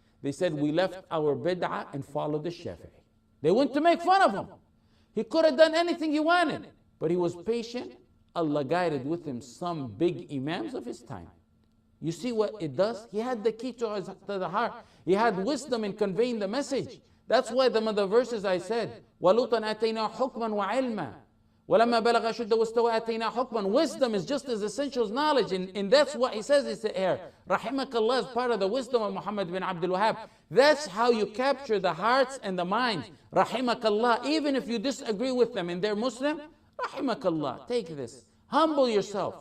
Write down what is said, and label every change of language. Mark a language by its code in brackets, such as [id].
[en] They said, we left our bid'ah and followed the Shafi'i. They went to make fun of him. He could have done anything he wanted, but he was patient. Allah guided with him some big imams of his time. You see what it does? He had the key to the heart. He had wisdom in conveying the message. That's why the mother verses I said, [ar] وَلُوطًا أَتَيْنَا حُكْمًا وَعِلْمًا وَلَمَّا بَلَغَ شُدَّ وَاسْتَوَى أَتَيْنَا حُكْمًا. [en] Wisdom is just as essential as knowledge. And that's what he says is here. Rahimakallah is part of the wisdom of Muhammad bin Abdul Wahhab. That's how you capture the hearts and the minds. Rahimakallah. Even if you disagree with them and they're Muslim, Rahimakallah. Take this. Humble yourself.